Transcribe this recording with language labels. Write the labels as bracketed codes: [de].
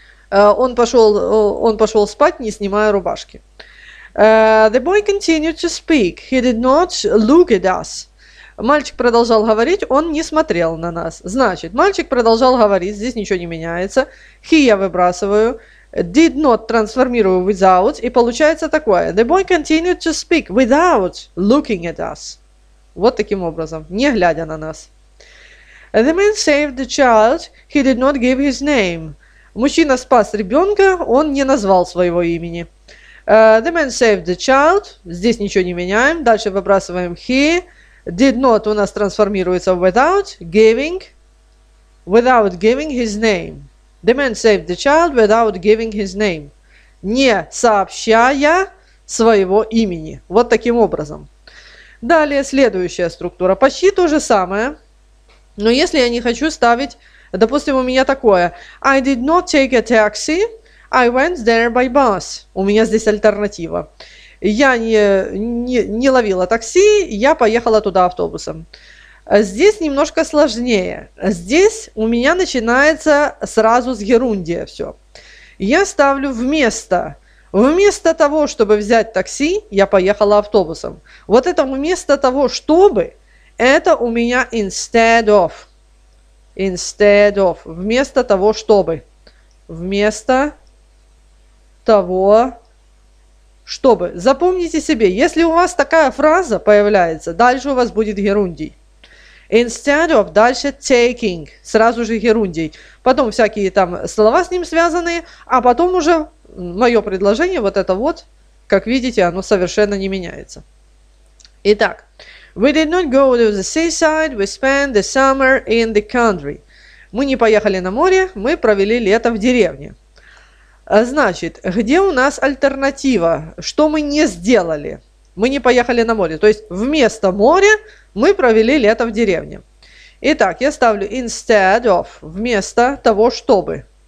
[ru] Он пошел спать, не снимая рубашки. [en] The boy continued to speak. He did not look at us. [ru] Мальчик продолжал говорить, он не смотрел на нас. Значит, мальчик продолжал говорить, здесь ничего не меняется. He я выбрасываю. [en] Did not [ru] трансформирую without. И получается такое. [en] The boy continued to speak without looking at us. [ru] Вот таким образом, не глядя на нас. [en] The man saved the child. He did not give his name. [ru] Мужчина спас ребенка, он не назвал своего имени. [en] The man saved the child. [ru] Здесь ничего не меняем. Дальше выбрасываем he. Did not у нас трансформируется в [en] without giving. Without giving his name. The man saved the child without giving his name. [ru] Не сообщая своего имени. Вот таким образом. Далее, следующая структура. Почти то же самое, но если я не хочу ставить, допустим, у меня такое. [en] I did not take a taxi, I went there by bus. [ru] У меня здесь альтернатива. Я не ловила такси, я поехала туда автобусом. Здесь немножко сложнее. Здесь у меня начинается сразу с герундия все. Я ставлю вместо. Вместо того, чтобы взять такси, я поехала автобусом. Вот это вместо того, чтобы, это у меня instead of. Instead of. Вместо того, чтобы. Вместо того, чтобы. Запомните себе, если у вас такая фраза появляется, дальше у вас будет герундий. Instead of, дальше taking, сразу же герундий. Потом всякие там слова с ним связанные, а потом уже мое предложение, вот это вот, как видите, оно совершенно не меняется. Итак, [en] We did not go to the seaside, we spent the summer in the country. [ru] Мы не поехали на море, мы провели лето в деревне. Значит, где у нас альтернатива? Что мы не сделали? Мы не поехали на море. То есть вместо моря мы провели лето в деревне. Итак, я ставлю instead of, вместо того, чтобы.